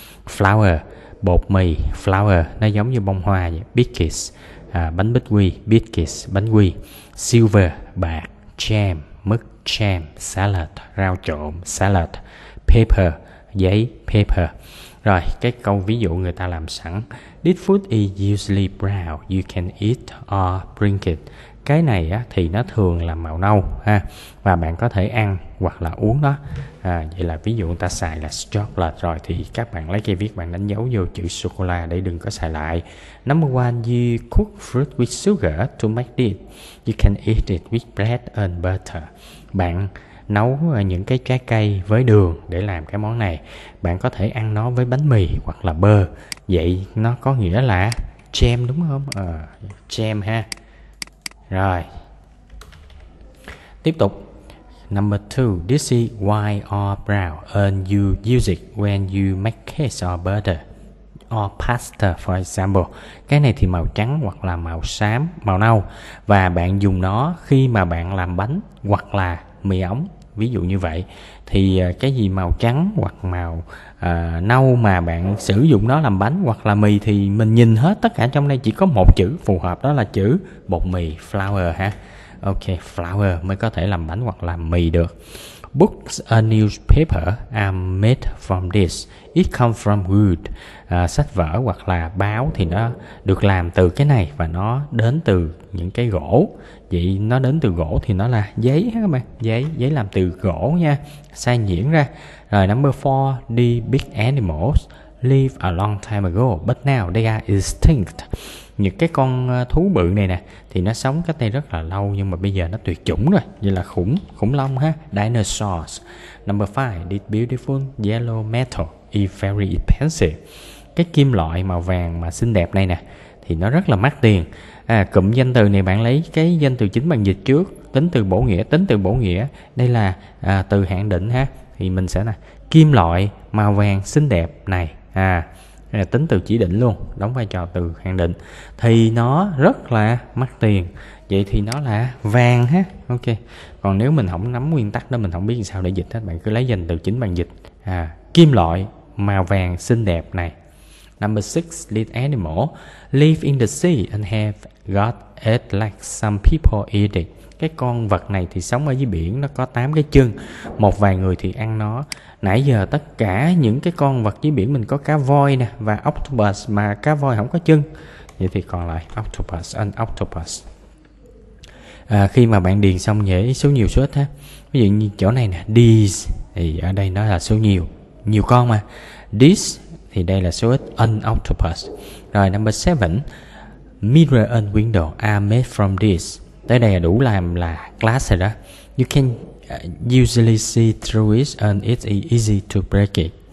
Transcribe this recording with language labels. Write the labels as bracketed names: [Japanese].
[Vietnamese] Flour, bột mì, flour, nó giống như bông hoa vậy. Biscuits, bánh bích quy, biscuits, bánh quy. Silver, bạc, jam, mức, jam. Salad, rau trộn, salad. Paper, giấy, paper. Rồi, cái câu ví dụ người ta làm sẵn. [English] This food is usually brown, you can eat or drink it. [Vietnamese] Cái này á, thì nó thường là màu nâu ha, và bạn có thể ăn hoặc là uống nó. Vậy là ví dụ người ta xài là chocolate rồi, thì các bạn lấy cây viết bạn đánh dấu vô chữ sô-cô-la để đừng có xài lại. [English] Number one, you cook fruit with sugar to make it. You can eat it with bread and butter. [Vietnamese] Bạn nấu những cái trái cây với đường để làm cái món này. Bạn có thể ăn nó với bánh mì hoặc là bơ. Vậy nó có nghĩa là jam đúng không? Jam ha. Rồi, tiếp tục. [English] Number two, this is white or brown and you use it when you make cheese or butter or pasta, for example. [Vietnamese] Cái này thì màu trắng hoặc là màu xám, màu nâu, và bạn dùng nó khi mà bạn làm bánh hoặc là mì ống, ví dụ như vậy. Thì cái gì màu trắng hoặc màu nâu mà bạn sử dụng nó làm bánh hoặc là mì, thì mình nhìn hết tất cả trong đây chỉ có một chữ phù hợp, đó là chữ bột mì, flour ha. Ok, flour mới có thể làm bánh hoặc làm mì được. [English] Books and newspaper are made from this. It comes from wood. [Vietnamese] Sách vở hoặc là báo thì nó được làm từ cái này, và nó đến từ những cái gỗ. Vậy nó đến từ gỗ thì nó là giấy ha các bạn. Giấy, giấy làm từ gỗ nha. Sai nhuyễn ra. [English] Rồi, number four, the big animals live a long time ago, but now they are extinct. [Vietnamese] Những cái con thú bự này nè, thì nó sống cách đây rất là lâu, nhưng mà bây giờ nó tuyệt chủng rồi. Như là khủng, khủng long ha, dinosaurs. [English] Number five, this beautiful yellow metal is very expensive. [Vietnamese] Cái kim loại màu vàng mà xinh đẹp này nè, thì nó rất là mắc tiền. Cụm danh từ này bạn lấy cái danh từ chính bằng dịch trước, tính từ bổ nghĩa, tính từ bổ nghĩa. Đây là từ hạn định ha. Thì mình sẽ nè, kim loại màu vàng xinh đẹp này, tính từ chỉ định luôn, đóng vai trò từ hạn định, thì nó rất là mắc tiền. Vậy thì nó là vàng ha. Ok, còn nếu mình không nắm nguyên tắc đó, mình không biết làm sao để dịch hết, bạn cứ lấy danh từ chính bằng dịch. Kim loại màu vàng xinh đẹp này. [English] Number six, little animal live in the sea and have got eight legs, some people eat it. [Vietnamese] Cái con vật này thì sống ở dưới biển, nó có 8 cái chân, một vài người thì ăn nó. Nãy giờ tất cả những cái con vật dưới biển mình có cá voi nè và octopus, mà cá voi không có chân. Vậy thì còn lại octopus, an octopus. Khi mà bạn điền xong nhớ số nhiều số ít ha. Ví dụ như chỗ này nè, these, thì ở đây nó là số nhiều, nhiều con mà. This thì đây là số ít, an octopus. [English] Rồi, number 7, mirror and window are made from this. [Vietnamese] Tới đây là đủ làm là glass rồi đó. [English] You can usually see through it and it's easy to break it.